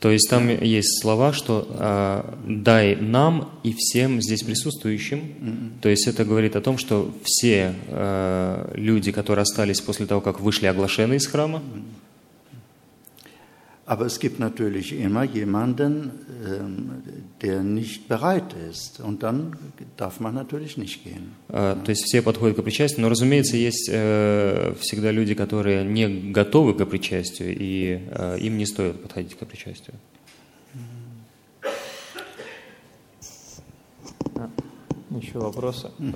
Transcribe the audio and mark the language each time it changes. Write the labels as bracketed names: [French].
[Russian] То есть там есть слова, что дай нам и всем здесь присутствующим. То есть это говорит о том, что все люди, которые остались после того, как вышли оглашены из храма. [German] Aber es gibt natürlich immer jemanden, der nicht bereit ist, und dann darf man natürlich nicht gehen. [Russian] То есть все подходят к причастию, но, разумеется, есть всегда люди, которые не готовы к причастию, и им не стоит подходить к причастию. Еще вопросы?